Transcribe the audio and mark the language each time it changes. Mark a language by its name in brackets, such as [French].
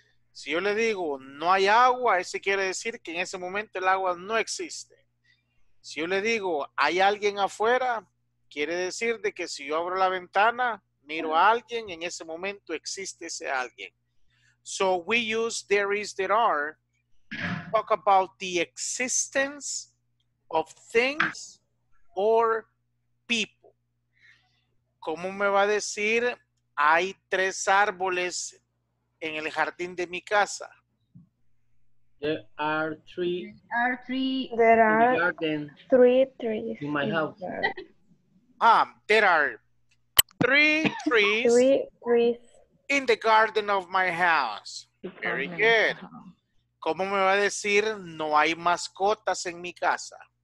[Spanish] Si yo le digo no hay agua, ese quiere decir que en ese momento el agua no existe. Si yo le digo hay alguien afuera, quiere decir de que si yo abro la ventana, miro a alguien, en ese momento existe ese alguien. [English] So we use there is, there are to talk about the existence of things or people. [Spanish] ¿Cómo me va a decir hay tres árboles en el jardín de mi casa? [English] There are three trees in my house. Ah, there are three trees In the garden of my house. Very good. [Spanish] ¿Cómo me va a decir no hay mascotas en mi casa?